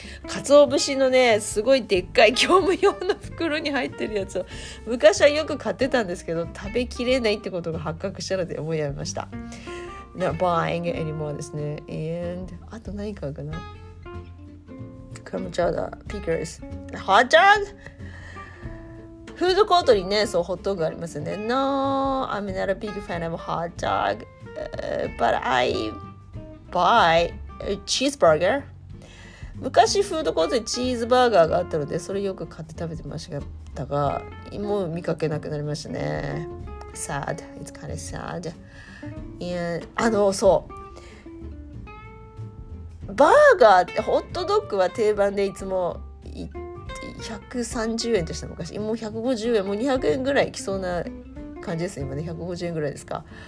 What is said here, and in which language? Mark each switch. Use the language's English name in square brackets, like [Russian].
[Japanese] 鰹節のね、すごいでっかい業務用の袋に入ってるやつを昔はよく買ってたんですけど、食べきれないってことが発覚したので思いやめました。 [English] Not buying anymore [Japanese] ですね。And あと何買うかな。クラムチャウダー、ピッカルス、ハッチャグ。フードコートにね、そうホットドッグありますよね。 [English] No, I'm not a big fan of hot dog, but I buy a cheeseburger. [Japanese] 昔フードコートにチーズバーガーがあったので、それよく買って食べてましたが、もう見かけなくなりましたね。 [English] Sad, it's kind of sad. And, そう。 [Japanese] バーガー、ホットドッグは定番でいつも行って、130円とした昔、もう150円、もう200円ぐらい来そうな感じですね、今ね、150円ぐらいですか。